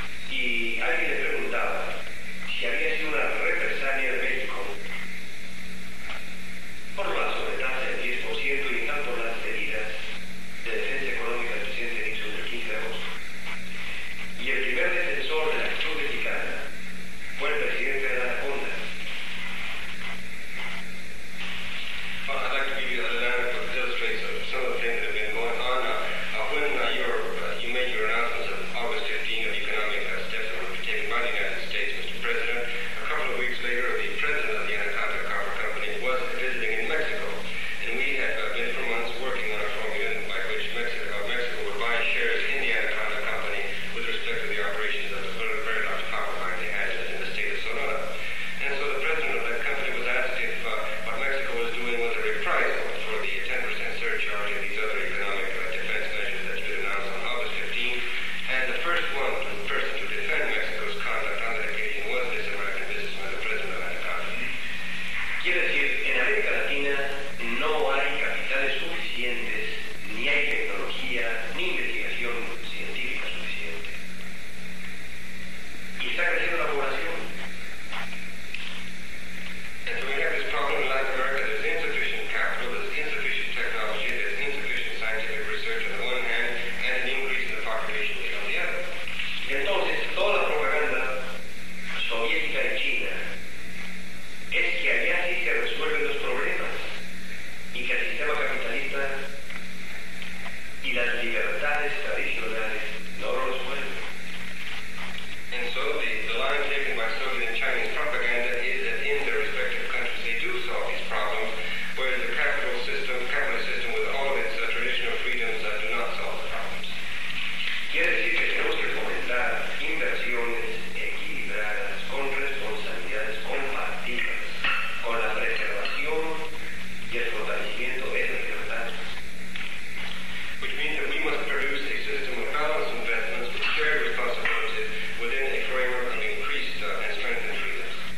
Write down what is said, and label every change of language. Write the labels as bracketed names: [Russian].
[Spanish] Y alguien le preguntaba si había sido una represalia de México por la sobretasa del 10% y tanto por las medidas de defensa económica del presidente Nixon del 15 de agosto. Y el primer defensor de la acción mexicana fue el presidente de la Anaconda. [English] I'd like to give you an example to illustrate some of the things that have been going on now. You made your announcements of August 15 of economic steps that would be taken by the United States, Mr. President. A couple of weeks later, the president of the Anaconda Copper Company was visiting in Mexico. And we had been for months working on a formula by which Mexico would buy shares in the Anaconda Company with respect to the operations of the very, very large copper mine they had in the state of Sonora. And so the president of that company was asked if what Mexico was doing was a reprisal for the 10% surcharge and these other economic defense measures that's been announced on August 15. And the first to defend Mexico's conduct on that occasion was this American businessman, the president of Anaconda. [Spanish] Quiero decir, en América Latina no hay capitales suficientes, ni hay tecnología, ni investigación científica suficiente. Y está creciendo la población. [English] And so we have this problem in Latin America. There's insufficient capital, there's insufficient technology, there's insufficient scientific research on the one hand, and an increase in the population rate on the other. [Spanish] Y entonces, toda la propaganda soviética y china es que allá sí se resuelven los problemas y que el sistema capitalista y las libertades tradicionales no lo resuelven. [English] And so the line taken by Soviet and Chinese propaganda is that in their respective countries they do solve these problems, whereas the capitalist system with all of its traditional freedoms do not solve the problems. [Spanish] Quiere decir que tenemos que fomentar inversiones equilibradas con responsabilidades compartidas, con la preservación y el fortalecimiento de las libertades. [English] Which means that we must produce a system of balanced investments with shared responsibilities within a framework of increased and strengthened freedoms.